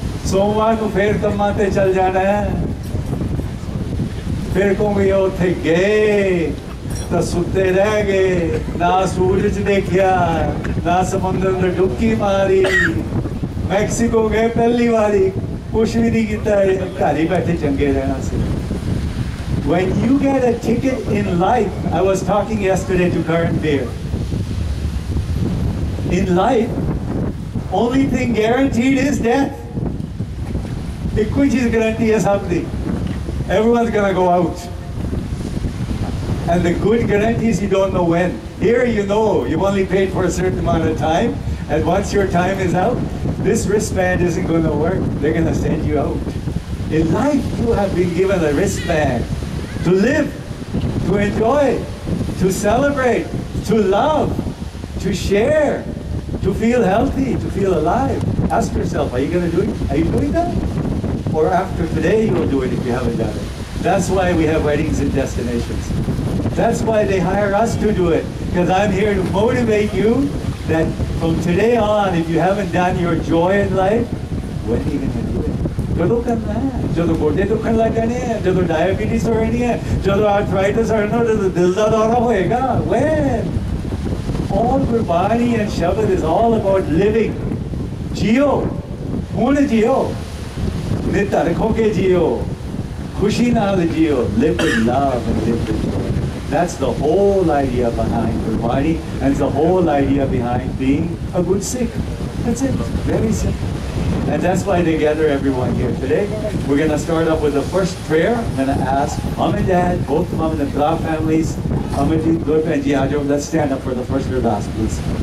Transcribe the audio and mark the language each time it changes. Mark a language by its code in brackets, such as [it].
[pa] ਸੋਮਵਾਰ ਨੂੰ ਫਿਰ ਕੰਮਾਂ 'ਤੇ ਚੱਲ ਜਾਣਾ, ਫਿਰ ਕਹੋਗੇ ਉੱਥੇ ਗਏ ਤਾਂ ਸੁੱਤੇ ਰਹਿ ਗਏ, ਨਾ ਸੂਰਜ ਦੇਖਿਆ, ਨਾ ਸਮੁੰਦਰ ਨੂੰ ਡੁੱਬਕੀ ਮਾਰੀ, ਮੈਕਸੀਕੋ ਗਏ ਪਹਿਲੀ ਵਾਰੀ, ਕੁਛ ਵੀ ਨਹੀਂ ਕੀਤਾ, ਘਰ ਹੀ ਬੈਠੇ ਚੰਗੇ ਰਹਿਣਾ ਸੀ। [en] When you get a ticket in life, I was talking yesterday to Karan Beer. In life, only thing guaranteed is death. [pa] Ikko hi cheez guarantee hai sabdi. [en] Everyone's gonna go out. And the good guarantee is you don't know when. Here you know, you've only paid for a certain amount of time. And once your time is out, this wristband isn't gonna work. They're gonna send you out. In life, you have been given a wristband. To live, to enjoy, to celebrate, to love, to share, to feel healthy, to feel alive. Ask yourself, are you going to do it? Are you doing that? Or after today you will do it if you haven't done it. That's why we have weddings and destinations. That's why they hire us to do it. Because I'm here to motivate you that from today on, if you haven't done your joy in life, when are you going to do it? [pa] ਜਦੋਂ ਕਰਨਾ, ਜਦੋਂ ਗੋਡੇ ਦੁੱਖਣ ਲੱਗ ਜਾਣੇ ਆ, ਜਦੋਂ diabetes ਹੋ ਰਹੀ ਹੈ, ਜਦੋਂ ਆਰਥਰਾਈਟਿਸ ਹੋ ਰਹਿਣਾ, ਜਦੋਂ ਦਿਲ ਦਾ ਦੌਰਾ ਹੋਏਗਾ, [en] When our Gurbani and shabad is all about living. [pa] JIO, ਹੁਣ ਜੀਓ, ਨਿਧਰਕ ਹੋ ਕੇ ਜੀਓ, ਖੁਸ਼ੀ ਨਾਲ JIO, [en] Live with love and live with joy. That's the whole idea behind Gurbani and the whole idea behind being a good Sikh. That's it, very simple. And that's why they gather everyone here today. We're going to start off with the first prayer. I'm going to ask Mom and Dad, both Mom and Dad families, Amitji, Dorp and Ji Ajo, let's stand up for the first prayer to ask, please.